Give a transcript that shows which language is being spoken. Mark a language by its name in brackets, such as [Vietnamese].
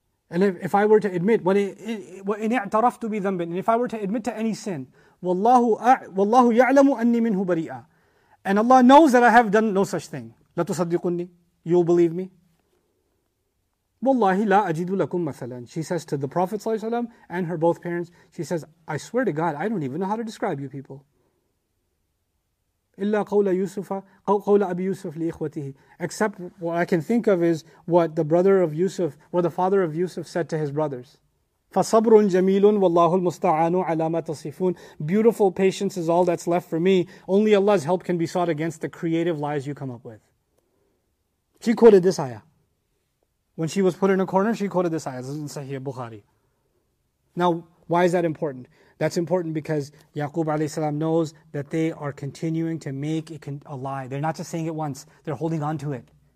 [English] And if I were to admit, [Arabic] وإن اعترفت بذنب, [English] and if I were to admit to any sin, [Arabic] والله يعلم أني منه بريئة. [English] And Allah knows that I have done no such thing. [Arabic] لا تصدقني. [English] You'll believe me. [Arabic] والله لا أجد لكم مثلا. [English] She says to the Prophet صلى الله عليه وسلم and her both parents, she says, I swear to God, I don't even know how to describe you people. [Arabic] إلا قول يوسف قول أبي يوسف لإخوته. [English] Except what I can think of is what the brother of Yusuf, what the father of Yusuf said to his brothers. [Arabic] فصبر جميل والله المستعان على ما تصفون. [English] Beautiful patience is all that's left for me. Only Allah's help can be sought against the creative lies you come up with. She quoted this ayah. When she was put in a corner, she quoted this ayah. This is in Sahih Bukhari. Now, why is that important? That's important because Yaqub alayhi salam knows that they are continuing to make it a lie. They're not just saying it once. They're holding on to it.